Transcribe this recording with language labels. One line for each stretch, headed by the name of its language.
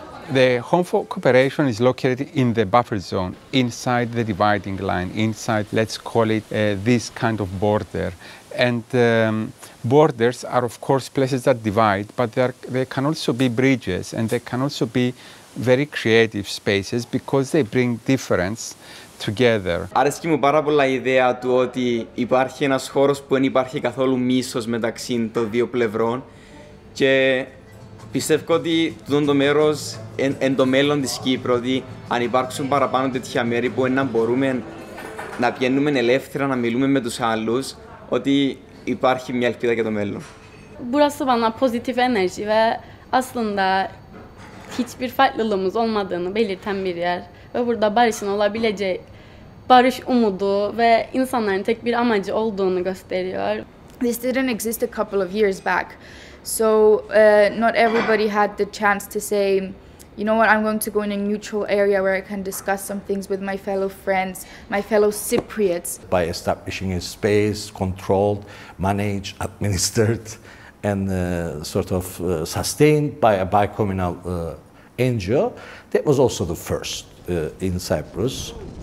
English: The home for cooperation is located in the buffer zone, inside the dividing line, inside, let's call it, this kind of border. And borders are, of course, places that divide, but they can also be bridges, and they can also be very creative spaces because they bring difference together.
Greek: Αρέσκει μου πάρα πολλά η ιδέα του ότι υπάρχει ένας χώρος που δεν υπάρχει καθόλου μίσος μεταξύ των δύο πλευρών και πιστεύω ότι το μέρος εν το μέλλον της Κύπρου, ότι αν υπάρξουν παραπάνω τέτοια μέρη που να μπορούμε να πηγαίνουμε ελεύθερα, να μιλούμε με τους άλλους, ότι υπάρχει μια ελπίδα για το μέλλον. Μπορούσα να πω
English: positive energy,
Turkish: ve aslında hiçbir farklılığımız olmadığını belirten bir yer. Ve burada barışın olabileceği, barış umudu ve insanların tek bir amacı olduğunu gösteriyor.
English: This didn't exist a couple of years back. So not everybody had the chance to say, you know what, I'm going to go in a neutral area where I can discuss some things with my fellow friends, my fellow Cypriots. By establishing a space, controlled, managed, administered, and sustained by a bicommunal NGO, that was also the first in Cyprus.